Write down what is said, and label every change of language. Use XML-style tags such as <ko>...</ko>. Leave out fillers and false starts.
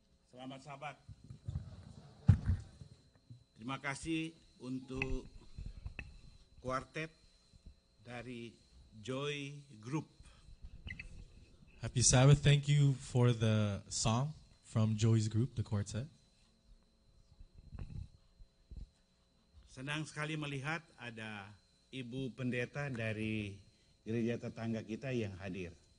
<id>Selamat Sabat. Terima kasih untuk kuartet dari Joy Group.</id> <en>Happy Sabbath. Thank you for the song from Joy's group, the quartet.</en> <id>Senang sekali melihat ada Ibu Pendeta dari gereja tetangga kita yang hadir.</id>